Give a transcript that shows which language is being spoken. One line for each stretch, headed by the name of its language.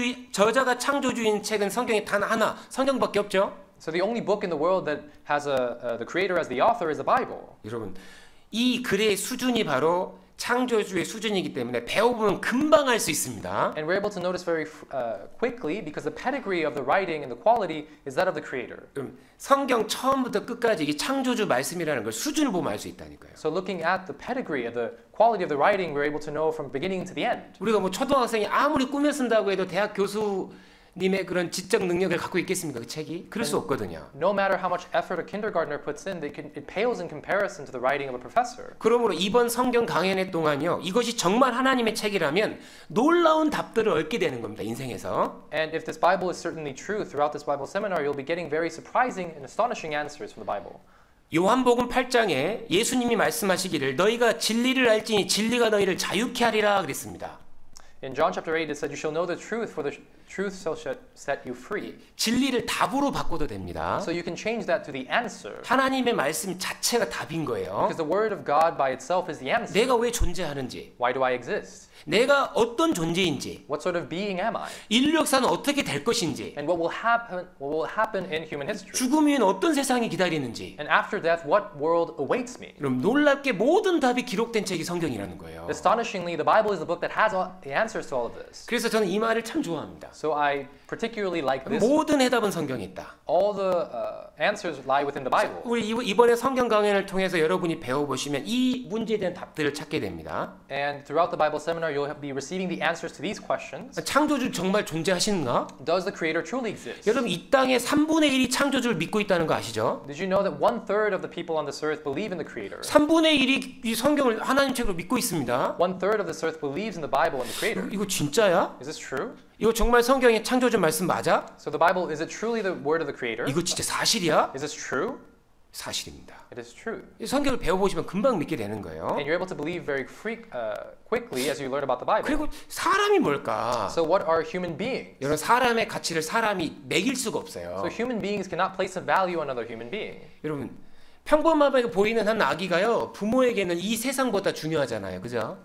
Korean: 저자가 창조주인 책은 성경이 단 하나, 성경밖에 없죠.
English: So the only book in the world that has the creator as the author is the Bible.
Korean: 여러분, 이 글의 수준이 바로 창조주의 수준이기 때문에 배우면 금방 알 수 있습니다.
English: And we're able to notice very quickly because the pedigree of the writing and the quality is that of the creator.
Korean: 성경 처음부터 끝까지 이게 창조주 말씀이라는 걸 수준을 보면 알 수 있다니까요.
English: So looking at the pedigree of the quality of the writing, we're able to know from beginning to the end.
Korean: 우리가 뭐 초등학생이 아무리 꾸며 쓴다고 해도 대학 교수님의 그런 지적 능력을 갖고 있겠습니까? 그 책이? 그럴 수 없거든요.
English: No matter how much effort a kindergartner puts in, it pales in comparison to the writing of a professor.
Korean: 그러므로 이번 성경 강연회 동안요, 이것이 정말 하나님의 책이라면 놀라운 답들을 얻게 되는 겁니다, 인생에서.
English: And if this Bible is certainly true throughout this Bible seminar, you'll be getting very surprising and astonishing answers from the Bible.
Korean: 요한복음 8장에 예수님이 말씀하시기를 너희가 진리를 알지니 진리가 너희를 자유케 하리라 그랬습니다.
English: In John chapter 8 it said you shall know the truth for the truth shall set you free.
Korean: 진리를 답으로 바꿔도 됩니다.
English: So you can change that to the answer.
Korean: 하나님의 말씀 자체가 답인 거예요.
English: Because the word of God by itself is the answer.
Korean: 내가 왜 존재하는지.
English: Why do I exist?
Korean: 내가 어떤 존재인지.
English: What sort of being am I?
Korean: 인류 역사는 어떻게 될 것인지.
English: And what will happen in human history?
Korean: 죽음 후엔 어떤 세상이 기다리는지.
English: And after death what world awaits me?
Korean: 그럼 놀랍게 모든 답이 기록된 책이 성경이라는 거예요.
English: Astonishingly the Bible is the book that has all the answers to all of this.
Korean: 그래서 저는 이 말을 참 좋아합니다.
English: So I particularly like this.
Korean: 모든 해답은 성경에 있다.
English: All the answers lie within the Bible.
Korean: 우리 이번에 성경 강연을 통해서 여러분이 배워 보시면 이 문제에 대한 답들을 찾게 됩니다.
English: And throughout the Bible seminar you'll be receiving the answers to these questions.
Korean: 창조주 정말 존재하시는가?
English: Does the creator truly exist?
Korean: 여러분 이 땅의 3분의 1이 창조주를 믿고 있다는 거 아시죠?
English: Did you know that one-third of the people on this earth believe in the creator?
Korean: 3분의 1이 이 성경을 하나님 책으로 믿고 있습니다.
English: One-third of this earth believes in the Bible and the creator.
Korean: 이거 진짜야?
English: Is this true?
Korean: 이거 정말 성경의 창조주 말씀 맞아?
English: So the Bible is it truly the word of the creator?
Korean: 이거 진짜 사실이야?
English: Is this true?
Korean: 사실입니다.
English: It is true.
Korean: 이 성경을 배워 보시면 금방 믿게 되는 거예요.
English: And you're able to believe very quickly as you learn about the Bible.
Korean: 그리고 사람이 뭘까?
English: So what are human beings?
Korean: 여러분 사람의 가치를 사람이 매길 수가 없어요.
English: So human beings cannot place a value on another human being.
Korean: 여러분 평범하게 보이는 한 아기가요 부모에게는 이 세상보다 중요하잖아요, 그죠?